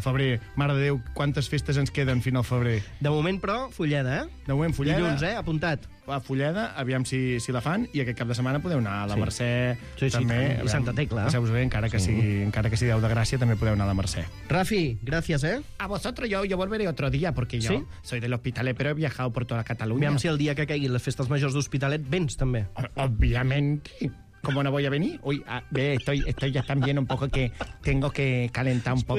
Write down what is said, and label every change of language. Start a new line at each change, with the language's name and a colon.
Catalan: Febrer, mare de Déu, quantes festes ens queden fins al febrer. De moment, però, Fulleda, eh? De moment, Fulleda. Dilluns, eh? Apuntat. A Fulleda, aviam si la fan, i aquest cap de setmana podeu anar a la Mercè, també. I Santa Tecla. Passeu-vos bé, encara que sigui Déu de Gràcia, també podeu anar a la Mercè.
Spanish: Rafi, gracias, eh? A vosotros yo volveré otro día, porque yo soy del Hospitalet, pero he viajado por toda Catalunya.
Catalan: Aviam si el dia que caiguin les festes majors d'Hospitalet vens, també.
Spanish: Obviamente. ¿Cómo no voy a venir? Uy, estoy ya también un poco que tengo que calentar un poco.